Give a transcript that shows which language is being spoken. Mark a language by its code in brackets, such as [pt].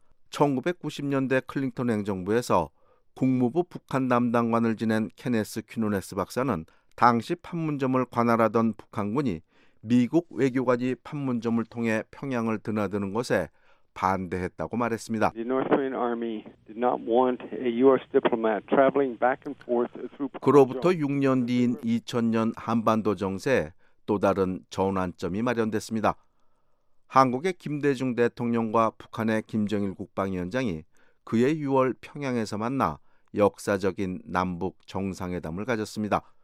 [ko] 1990년대 클린턴 행정부에서 국무부 북한 담당관을 지낸 케네스 퀴누네스 박사는 당시 판문점을 관할하던 북한군이 미국 외교관이 판문점을 통해 평양을 드나드는 것에 반대했다고 말했습니다. [en] The North Korean Army did not want a U.S. diplomat traveling back and forth through. [ko] 그로부터 6년 뒤인 2000년 한반도 정세에 또 다른 전환점이 마련됐습니다. 한국의 김대중 대통령과 북한의 김정일 국방위원장이 그해 6월 평양에서 만나 역사적인 남북 정상회담을 가졌습니다.